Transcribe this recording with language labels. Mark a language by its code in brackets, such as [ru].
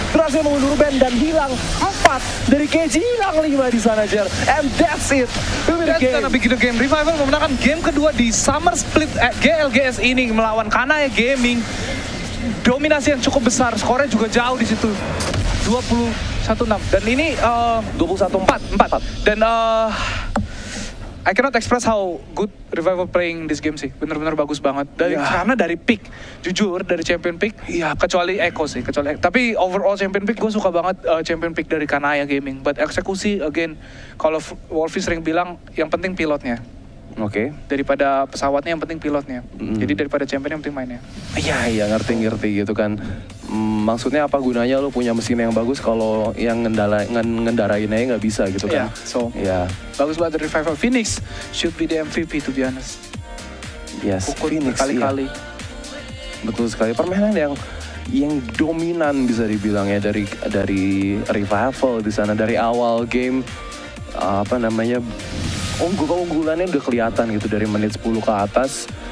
[id] Berhasil mengundur Ruben dan hilang 4 dari KG. Hilang 5 di sana, Jer. [en] And that's it. That's gonna be the game. [id] Revival memenangkan game kedua di Summer Split at GLGS ini melawan Kanaya Gaming. Dominasi yang cukup besar, skornya juga jauh di situ. 21-6. Dan ini 21-4. Dan [en] I cannot express how good Revival playing this game [id] sih. Benar-benar bagus banget. Dari karena dari pick, jujur dari champion pick, kecuali Echo sih, kecuali tapi overall champion pick gue suka banget champion pick dari Kanaya Gaming. But eksekusi again, kalau Wolfie sering bilang yang penting pilotnya. Oke. Daripada pesawatnya yang penting pilotnya. Jadi daripada champion yang penting mainnya. Iya, ngerti-ngerti gitu kan. Maksudnya apa gunanya lo punya mesin yang bagus kalau yang ngendarainnya nggak bisa gitu kan? Iya. Bagus banget Revival. [en] Phoenix should be the MVP to be honest. Yes. [id] Kukun Phoenix. Kali-kali. Iya. Betul sekali. Permainan yang dominan bisa dibilang ya dari Revival di sana dari awal game apa namanya. keunggulannya udah kelihatan gitu dari menit 10 ke atas.